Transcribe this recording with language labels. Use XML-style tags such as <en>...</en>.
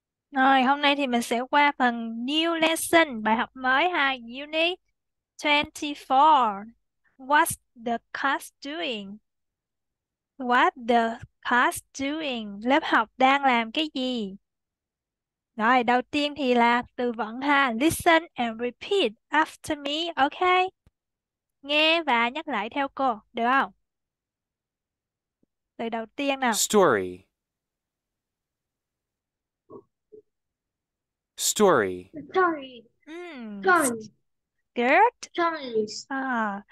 <vi>Rồi, hôm nay thì mình sẽ qua phần</vi> <en>new lesson,</en> <vi>bài học mới hai unit 24.</vi> <en>What's the class doing? What the class doing?</en> <vi>Lớp học đang làm cái gì? Rồi, đầu tiên thì là từ vựng ha.</vi> <en>Listen and repeat after me, okay?</en> <vi>Nghe và nhắc lại theo cô, được không? Từ đầu tiên nào.</vi> <en>Story. Story. Sorry. Sorry. Good. Sorry.</en>